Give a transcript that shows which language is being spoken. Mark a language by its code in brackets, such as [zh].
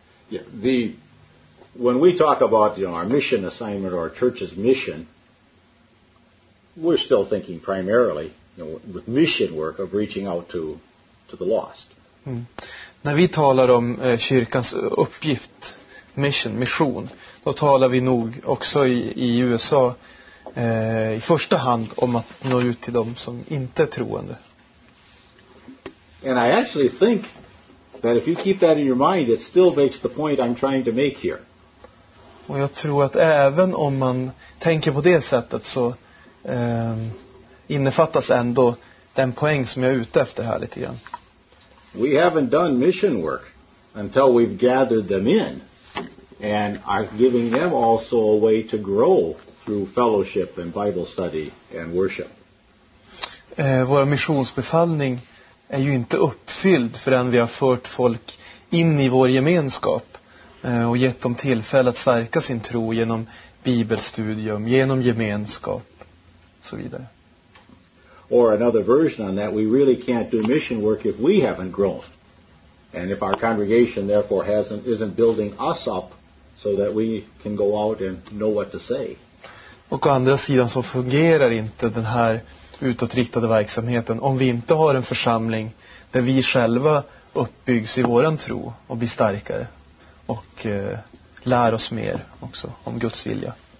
[en] Yeah, the when we talk about, you know, our mission assignment or our church's mission, we're still thinking primarily, you know, with mission work of reaching out to the lost. Mm. [sv] När vi talar om kyrkans uppgift, mission, då talar vi nog också i USA i första hand om att nå ut till dem som inte är troende. [en] And I actually think that if you keep that in your mind, it still makes the point I'm trying to make here. [sv] Och jag tror att även om man tänker på det sättet så innefattas ändå den poäng som jag är ute efter här lite grann. [en] We haven't done mission work until we've gathered them in. And are giving them also a way to grow through fellowship and Bible study and worship. [sv] Vår missionsbefallning är ju inte uppfylld förrän vi har fört folk in i vår gemenskap och gett dem tillfälle att stärka sin tro genom bibelstudium, genom gemenskap och så vidare. [en] Or another version on that, we really can't do mission work if we haven't grown. And if our congregation therefore isn't building us up so that we can go out and know what to say. [sv] Och å andra sidan så fungerar inte den här utåtriktade verksamheten om vi inte har en församling där vi själva uppbyggs i våran tro och blir starkare och lär oss mer också om Guds vilja.